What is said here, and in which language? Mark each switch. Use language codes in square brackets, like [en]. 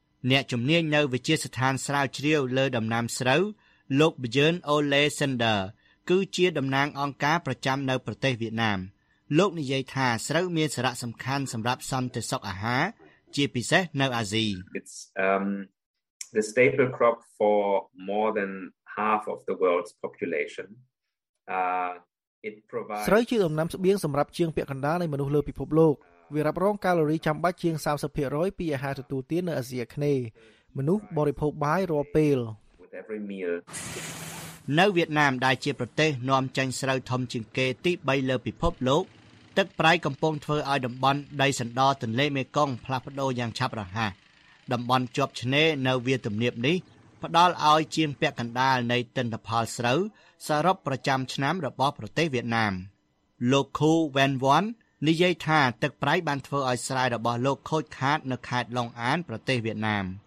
[km] អ្នកជំនាញនៅវិទ្យាស្ថានស្រាវជ្រាវលើដំណាំស្រូវលោកប៊្យឺនអូឡេសិនដឺគឺជាតំណាងអង្គការប្រចាំនៅប្រទេសវៀតណាមលោកនិយាយថាស្រូវមានសារៈសំខាន់សម្រាប់សន្តិសុខអាហារជាពិសេសនៅអាស៊ី [en] It's the staple crop for more than half of the world's population. [km] ស្រូវជាដំណាំស្បៀងសម្រាប់ជាងពាក់កណ្ដាលនៃមនុស្សលើពិភពលោកវារ៉ាប់រងកាឡូរីចាំបាច់ជាង 30% ពីអាហារទទួលទាននៅអាស៊ីអាគ្នេយ៍មនុស្សបរិភោគបាយរាល់ពេល នៅវៀតណាមដែលជាប្រទេសនាំចេញស្រូវធំជាងគេទី3លើពិភពលោកទឹកប្រៃកំពុងធ្វើឲ្យតំបន់ដីសណ្ដទន្លេមេគង្គផ្លាស់ប្ដូរយ៉ាងឆាប់រហ័សតំបន់ជាប់ឆ្នេរនៅវាលទំនាបនេះផ្ដល់ឲ្យជាងពាក់កណ្ដាលនៃទិន្នផលស្រូវសរុបប្រចាំឆ្នាំរបស់ប្រទេសវៀតណាមលោកឃូវែនវ៉ាន់និយាយថាទឹកប្រៃបានធ្វើឲ្យស្រែរបស់លោកខូចខាតនៅខេត្តឡុងអានប្រទេសវៀតណាម